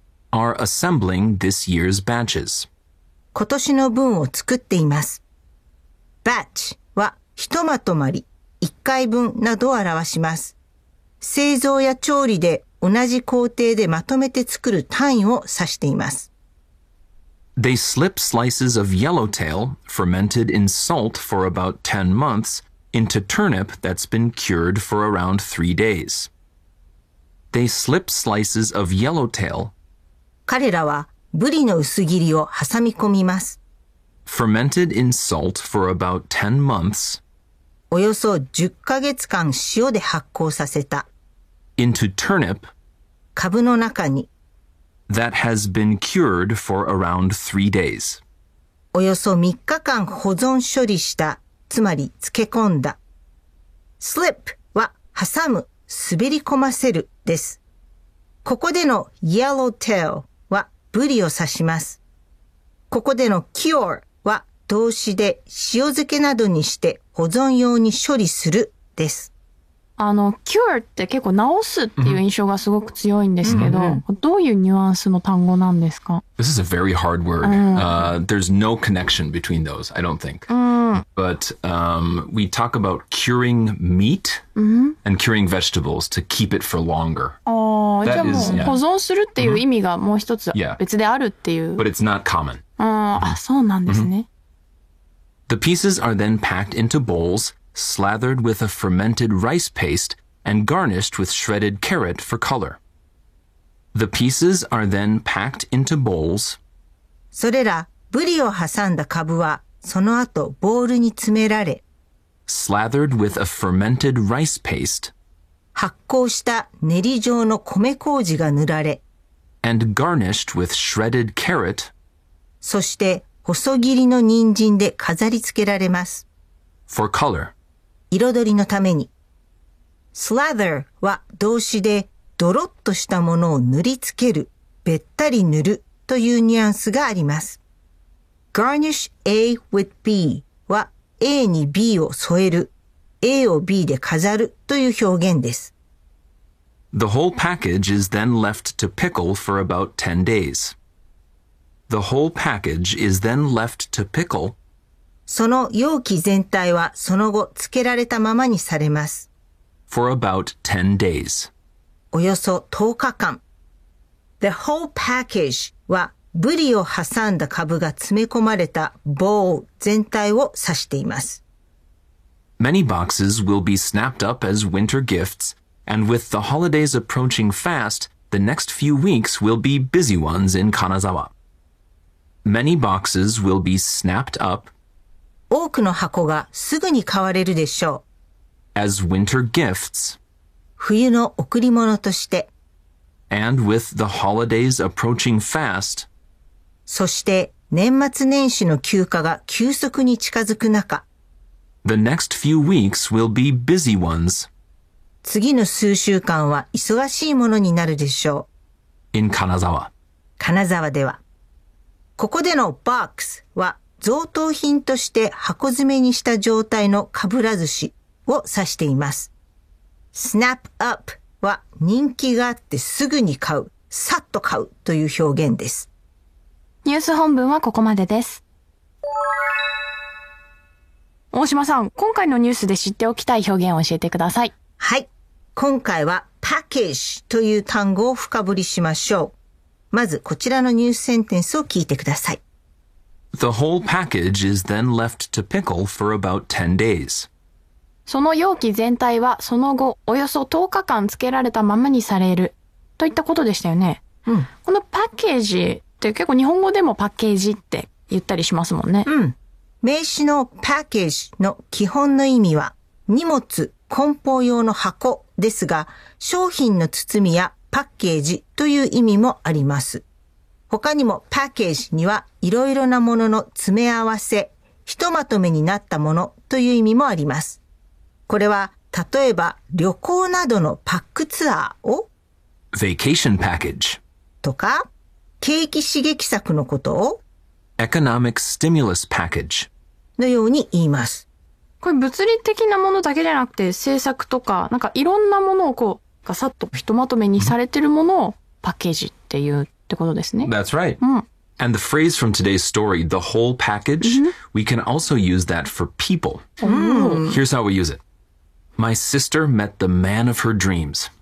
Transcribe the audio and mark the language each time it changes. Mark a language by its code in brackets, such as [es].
[en] are assembling this year's batches. [ja] 今年の分を作っています。Batch はひとまとまり、一回分などを表します。製造や調理で同じ工程でまとめて作る単位を指しています。 [en] They slip slices of yellowtail, fermented in salt for about 10 months, into turnip that's been cured for around 3 days. They slip slices of yellowtail. [ja] 彼らはブリの薄切りを挟み込みます。 [en] Fermented in salt for about 10 months. [ja] およそ10ヶ月間塩で発酵させた。 [en] Into turnip. [ja] 株の中に。 [en] That has been cured for around 3 days. [ja] およそ3日間保存処理した、つまり漬け込んだ。 Slip は挟む、滑り込ませるです。ここでの yellowtail はブリを指します。ここでの cure は動詞で塩漬けなどにして保存用に処理するです。 cure って結構治すっていう印象がすごく強いんですけど、mm-hmm. どういうニュアンスの単語なんですか? [en] This is a very hard word. There's no connection between those, I don't think. But we talk about curing meat and curing vegetables to keep it for longer. [ja] じゃあもう保存するっていう意味がもう一つ別であるっていう。 [en] But it's not common. [ja] そうなんですね。 [en] The pieces are then packed into bowls. Slathered with a fermented rice paste and garnished with shredded carrot for color. The pieces are then packed into bowls. [ja] それらブリを挟んだ株はその後ボールに詰められ [en] Slathered with a fermented rice paste. [ja] 発酵した練り状の米麹が塗られ [en] And garnished with shredded carrot. [ja] そして細切りの人参で飾り付けられます [en] For color. [ja] 彩りのために Slather は動詞でドロッとしたものを塗りつけるべったり塗るというニュアンスがあります [en] Garnish A with B [ja] は A に B を添える A を B で飾るという表現です [en] The whole package is then left to pickle for about 10 days The whole package is then left to pickle [ja] その容器全体はその後漬けられたままにされます。 [en] For about 10 days. [ja] およそ10日間。 [en] The whole package [ja] はブリを挟んだ株が詰め込まれた bowl 全体を指しています。 [en] Many boxes will be snapped up as winter gifts, and with the holidays approaching fast, the next few weeks will be busy ones in Kanazawa. Many boxes will be snapped up. [ja] 多くの箱がすぐに買われるでしょう。 [en] As winter gifts. [ja] 冬の贈り物として。 [en] And with the holidays approaching fast. [ja] そして年末年始の休暇が急速に近づく中。 [en] The next few weeks will be busy ones. [ja] 次の数週間は忙しいものになるでしょう。 [en] In Kanazawa. [ja] 金沢では。ここでの box は贈答品として箱詰めにした状態のかぶら寿司を指しています。 Snap up は人気があってすぐに買う、さっと買うという表現です。ニュース本文はここまでです。大島さん、今回のニュースで知っておきたい表現を教えてください。はい。今回は package という単語を深掘りしましょう。まずこちらのニュースセンテンスを聞いてください。 The whole package is then left to pickle for about 10 days. その容器全体はその後およそ10日間漬けられたままにされるといったことでしたよね。うん。このパッケージって結構日本語でもパッケージって言ったりしますもんね。うん。名詞のパッケージの基本の意味は荷物、梱包用の箱ですが、商品の包みやパッケージという意味もあります。他にもパッケージにはいろいろなものの詰め合わせ、ひとまとめになったものという意味もあります。これは例えば旅行などのパックツアーを [en] Vacation package [ja] とか景気刺激策のことを [en] Economic stimulus package [ja] のように言います。これ物理的なものだけじゃなくて、制作とか、なんかいろんなものをこう、ガサッとひとまとめにされてるものをパッケージっていうってことですね。 [en] That's right. And the phrase from today's story, the whole package, we can also use that for people. Here's how we use it. My sister met the man of her dreams.